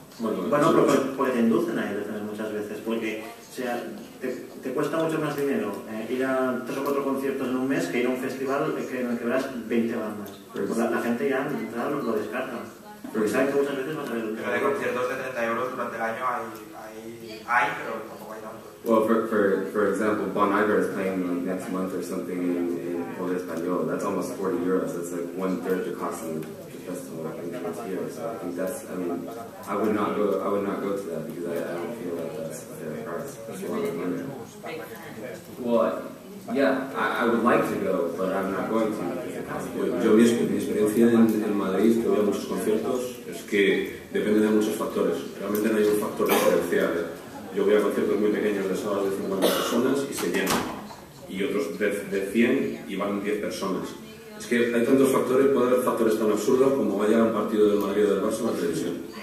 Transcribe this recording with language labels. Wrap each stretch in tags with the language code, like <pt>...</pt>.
<es>Bueno, pero te inducen a ir también muchas veces, porque o sea, te cuesta mucho más dinero ir a tres o cuatro conciertos en un mes que ir a un festival en el que verás 20 bandas. La gente ya de entrada lo descarta. Pero sabes que muchas veces vas a ver. Pero de conciertos de 30 euros durante el año hay, pero tampoco hay tanto.</es> <en>Well, for example, Bon Iver is playing like next month or something in Pueblo Español. That's almost 40 euros. That's like one third the cost of the festival I think it's here. So I think that's, I mean, I would not go to that because I don't feel like that's a fair price. That's a lot of money. Well, yeah, I would like to go, but I'm not going to.</en> <es>Yo mismo, mi experiencia en Madrid, que veo muchos conciertos, es que depende de muchos factores. Realmente no hay un factor diferencial. Yo voy a conciertos muy pequeños de sábado de 50 personas y se llenan. Y otros de 100 y van 10 personas. Es que hay tantos factores, puede haber factores tan absurdos como vaya a un partido del Madrid o del Barça en la televisión.</es>